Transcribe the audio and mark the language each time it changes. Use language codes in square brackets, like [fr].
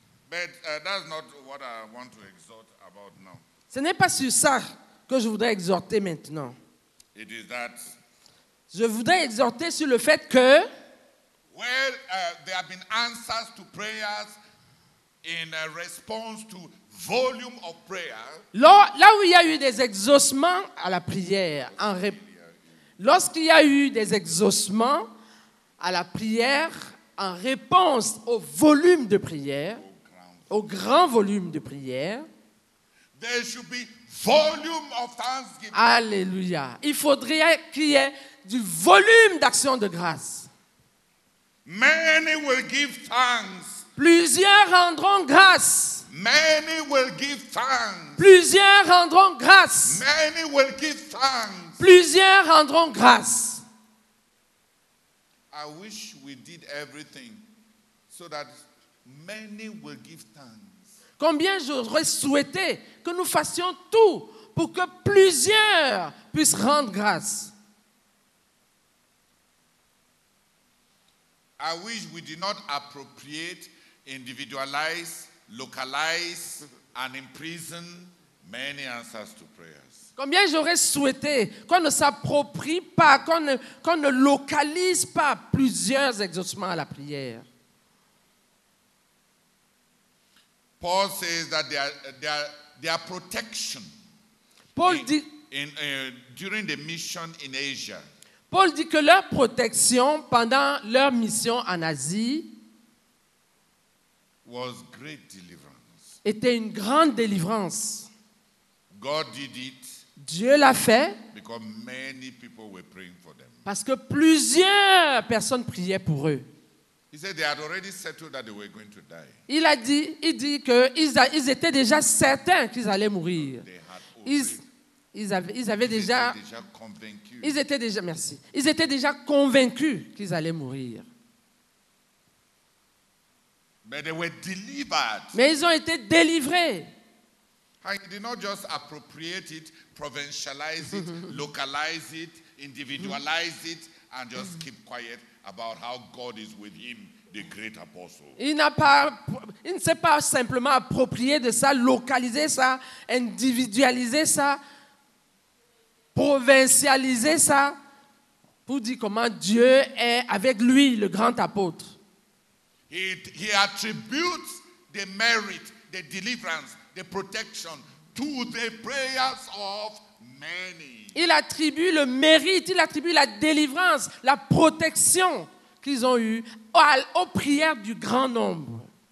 [en] But, that's not what I want to exhort about now. [fr] Ce n'est pas sur ça que je voudrais exhorter maintenant. [en] It is that [fr] je voudrais exhorter sur le fait que [en] well, there have been answers to prayers in response to volume of prayer. [fr] Là où il y a eu des exaucements à la prière, lorsqu'il y a eu des exaucements à la prière en réponse au volume de prière, au grand volume de prière. [en] There should be volume of thanksgiving. [fr] Alléluia. Il faudrait qu'il y ait du volume d'action de grâce. [en] Many will give thanks. [fr] Plusieurs rendront grâce. [en] Many will give thanks. [fr] Plusieurs rendront grâce. [en] Many will give thanks. [fr] Plusieurs rendront grâce. [en] I wish we did everything so that many will give thanks. [fr] Combien j'aurais souhaité que nous fassions tout pour que plusieurs puissent rendre grâce. [en] I wish we did not appropriate, individualize, localize and imprison many answers to prayers. [fr] Combien j'aurais souhaité qu'on ne s'approprie pas, qu'on ne localise pas plusieurs exaucements à la prière. [en] Paul says that their protection. [fr] Paul dit [en] during the mission in Asia. [fr] Paul dit que leur protection pendant leur mission en Asie [en] was great deliverance. [fr] Était une grande délivrance. [en] God did it. [fr] Dieu l'a fait [en] many were for them. [fr] Parce que plusieurs personnes priaient pour eux. [en] He said they had already settled that they were going to die. [fr] Il a dit, il dit que ils étaient déjà certains qu'ils allaient mourir. Ils étaient déjà convaincus qu'ils allaient mourir. [en] But they were delivered. [fr] Mais ils ont été délivrés. [en] He did not just appropriate it, provincialize it, localize it, individualize it, and just keep quiet about how God is with him, the great apostle. [fr] Il ne s'est pas simplement approprié de ça, localiser ça, individualiser ça, provincialiser ça, pour dire comment Dieu est avec lui, le grand apôtre. [en] He attributes the merit, the deliverance, the protection to the prayers of many. [fr] Il attribue le mérite, il attribue la délivrance, la protection qu'ils ont eue aux prières du grand nombre.